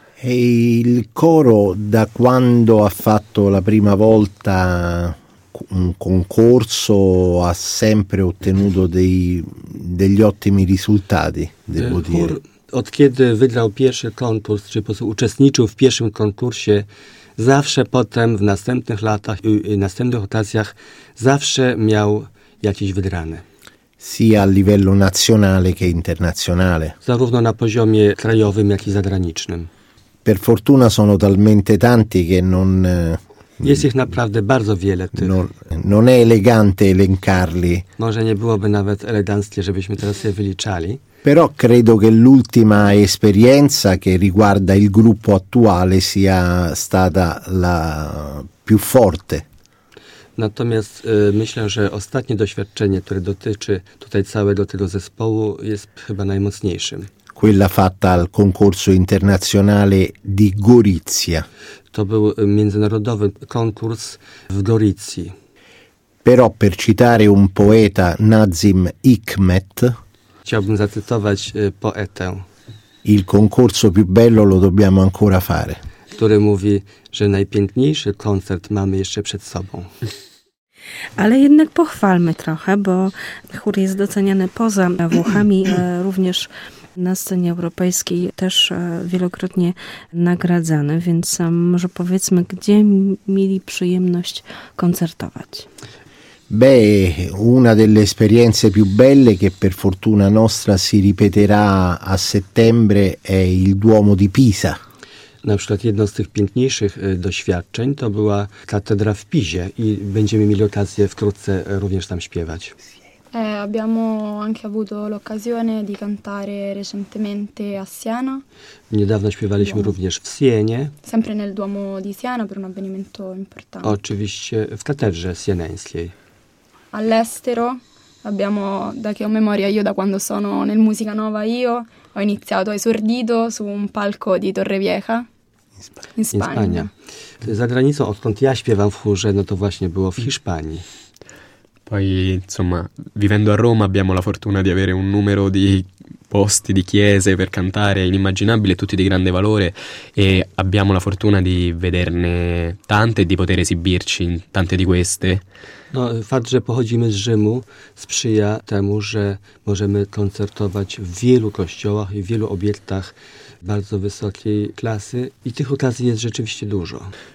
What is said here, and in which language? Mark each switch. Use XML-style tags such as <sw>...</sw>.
<it>E il coro da quando ha fatto la prima volta un concorso ha sempre ottenuto degli ottimi risultati, devo dire.</it> <pl>Od kiedy wygrał pierwszy konkurs, czy po prostu uczestniczył w pierwszym konkursie, zawsze potem w następnych latach i następnych okazjach zawsze miał jakieś wygrane.</pl> <it>Sia a livello nazionale che internazionale.</it> <pl>Zarówno na poziomie krajowym, jak i zagranicznym.</pl> <it>Per fortuna sono talmente tanti che non...</it> <pl>Jest ich naprawdę bardzo wiele tych.</pl> <it>Non è elegante elencarli.</it> <pl>Może nie byłoby nawet eleganckie, żebyśmy teraz je wyliczali.</pl> <it>Però credo che l'ultima esperienza che riguarda il gruppo attuale sia stata la più forte.</it> <pl>Natomiast myślę, że ostatnie doświadczenie, które dotyczy tutaj całego tego zespołu, jest chyba najmocniejszym.</pl> <it>Quella fatta al concorso internazionale di Gorizia.</it> <pl>To był międzynarodowy konkurs w Gorizji.</pl> <it>Però per citare un poeta, Nazim Hikmet,</it> <pl>chciałbym zacytować poetę.</pl> <it>Il concorso più bello lo dobbiamo ancora fare.</it> <pl>Który mówi, że najpiękniejszy koncert mamy jeszcze przed sobą. Ale jednak pochwalmy trochę, bo chór jest doceniany poza Włochami, również na scenie europejskiej też wielokrotnie nagradzany, więc może powiedzmy, gdzie mieli przyjemność koncertować?</pl> <it>Beh, una delle esperienze più belle che per fortuna nostra si ripeterà a settembre è il Duomo di Pisa.</it> <pl>Na przykład jedno z tych piękniejszych doświadczeń to była katedra w Pizie i będziemy mieli okazję wkrótce również tam śpiewać.</pl> <it>Abbiamo anche avuto l'occasione di cantare recentemente a Siena.</it> <pl>Niedawno śpiewaliśmy również w Sienie.</pl> <it>Sempre nel Duomo di Siena per un avvenimento importante.</it> <pl>Oczywiście w katedrze sieneńskiej.</pl> <it>All'estero abbiamo, da che ho memoria io, da quando sono nel Musica Nova io, ho iniziato esordito su un palco di Torrevieja. In Spagna.</it> <pl>Za granicą, odkąd ja śpiewam w chórze, no to właśnie było w Hiszpanii.</pl> <it>Poi, insomma, vivendo a Roma abbiamo la fortuna di avere un numero di posti, di chiese per cantare inimmaginabile, tutti di grande valore, e abbiamo la fortuna di vederne tante e di poter esibirci in tante di queste.</it> <pl>No, fakt, że pochodzimy z Rzymu, sprzyja temu, że możemy koncertować w wielu kościołach i wielu obiektach bardzo wysokiej klasy i tych okazji jest rzeczywiście dużo.</pl>